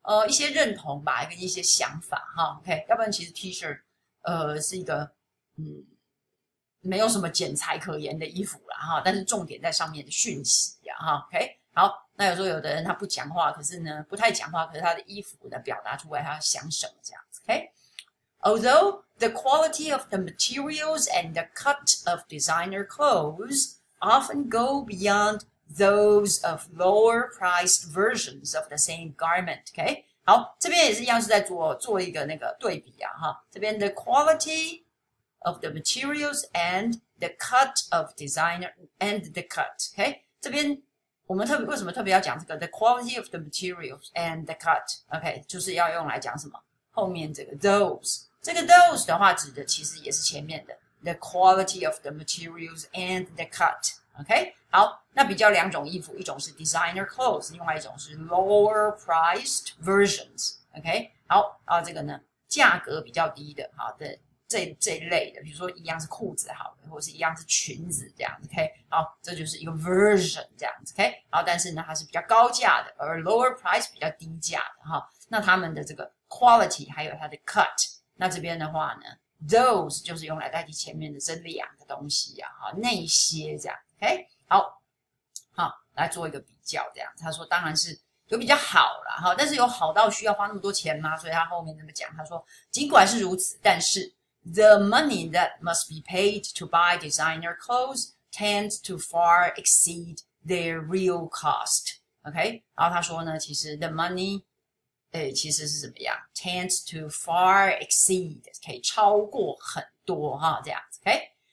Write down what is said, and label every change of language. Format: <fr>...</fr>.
<zh>一些认同吧跟一些想法哈 ,OK, 要不然其实 T-shirt, 是一个没有什么剪裁可言的衣服啦哈，但是重点在上面的讯息啊哈 ,OK, 好，那有时候有的人他不讲话，可是呢不太讲话，可是他的衣服呢表达出来他想什么这样子 ,OK?</zh> <en>Although the quality of the materials and the cut of designer clothes often go beyond those of lower priced versions of the same garment, okay?</en> <zh>好，这边也是一样是在做一个那个对比啊，哈。这边</zh> <en>the quality of the materials and the cut of designer, and the cut, okay?</en> <zh>这边我们为什么特别要讲这个</zh> <en>the quality of the materials and the cut, okay?</en> <zh>就是要用来讲什么？后面这个 those, 这个 those 的话指的其实也是前面的</zh> <en>the quality of the materials and the cut,</en> <zh>okay? 好，那比较两种衣服，一种是 designer clothes， 另外一种是</zh> <en>lower priced versions。</en> <zh>OK， 好啊，这个呢，价格比较低的，好的这一类的，比如说一样是裤子，好的，或是一样是裙子这样子。 OK， 好，这就是一个 version 这样子。OK， 好，但是呢，它是比较高价的，而 lower price 比较低价的哈。那他们的这个 quality 还有它的 cut， 那这边的话呢 ，those 就是用来代替前面的这两个东西啊，哈，那些这样。OK。好好来做一个比较这样子，他说当然是有比较好啦齁，但是有好到需要花那么多钱吗？所以他后面这么讲，他说尽管是如此，但是</zh> <en>the money that must be paid to buy designer clothes tends to far exceed their real cost, OK?</en> <zh>然后他说呢，其实</zh> <en>the money,</en> <zh>其实是怎么样 ,</zh> <en>tends to far exceed,</en> <zh>可以超过很多齁这样子 ,OK?</zh>